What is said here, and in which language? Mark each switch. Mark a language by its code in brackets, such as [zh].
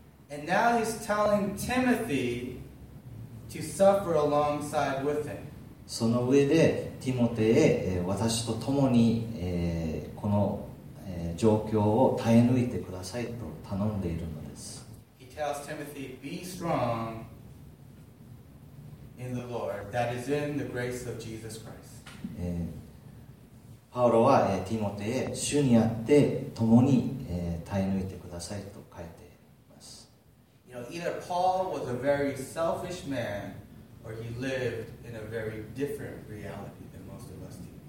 [en] And now he's telling Timothy to suffer alongside with him. [ja] その上で、ティモテへ、私と共に、この状況を耐え抜いてくださいと頼んでいるのです。 [en] He tells Timothy, be strong in the Lord, that is in the grace of Jesus Christ. [ja] パウロは、ティモテへ、主にあって共に、耐え抜いてくださいと書いています。 [en] You know, either Paul was a very selfish man, or he lived in a very different reality than most of us do.